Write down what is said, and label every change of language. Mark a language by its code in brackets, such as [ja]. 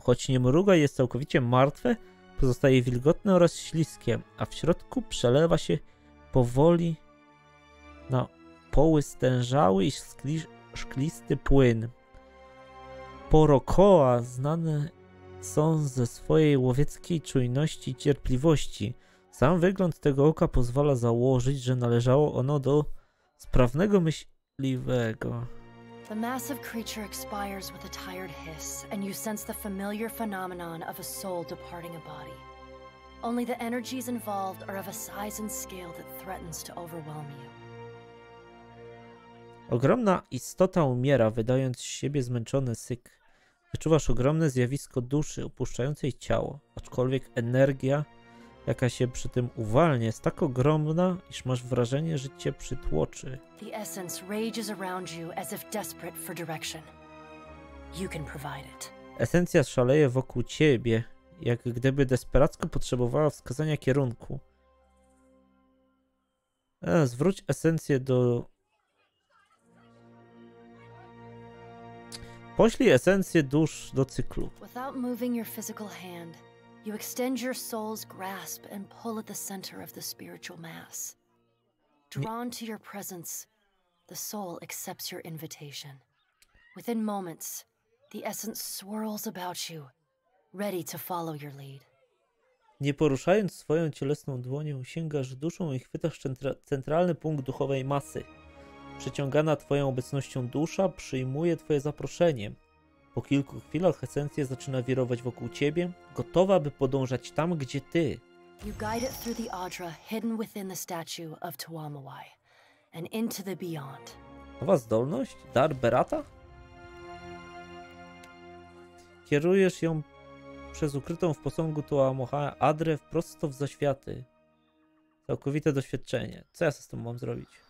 [pl] Choć nie mruga, jest całkowicie martwe, pozostaje wilgotne oraz śliskie, a w środku przelewa się powoli na poły stężały i szklisty płyn. Porokoa znane są ze swojej łowieckiej czujności i cierpliwości. Sam wygląd tego oka pozwala założyć, że należało ono do sprawnego myśliwego. [en] The massive creature expires with a tired hiss, and you sense the familiar phenomenon of a soul departing a body. Only the energies involved are of a size and scale that threatens to overwhelm you. [pl] Ogromna istota umiera, wydając z siebie zmęczony syk. Wyczuwasz ogromne zjawisko duszy opuszczającej ciało, aczkolwiek energia, jaka się przy tym uwalnia, jest tak ogromna, iż masz wrażenie, że cię przytłoczy. [en] The essence rages around you as if desperate for direction. You can provide it. [pl] Esencja szaleje wokół ciebie, jak gdyby desperacko potrzebowała wskazania kierunku. Zwróć esencję do... Poślij esencję dusz do cyklu. [en] Without moving your physical hand, you extend your soul's grasp and pull at the center of the spiritual mass. Drawn to your presence, the soul accepts your invitation. Within moments, the essence swirls about you, ready to follow your lead. [pl] Nie poruszając swoją cielesną dłonią, sięgasz duszą i chwytasz centralny punkt duchowej masy. Przyciągana twoją obecnością dusza przyjmuje twoje zaproszenie. Po kilku chwilach esencja zaczyna wirować wokół ciebie, gotowa, by podążać tam, gdzie ty. [en] You guide it through the Audra, hidden within the statue of Tuamawai, and into the beyond. [pl] Nowa zdolność? Dar Berata? Kierujesz ją przez ukrytą w posągu Tuamawai Adrę wprost w zaświaty. Całkowite doświadczenie. Co ja z tym mam zrobić?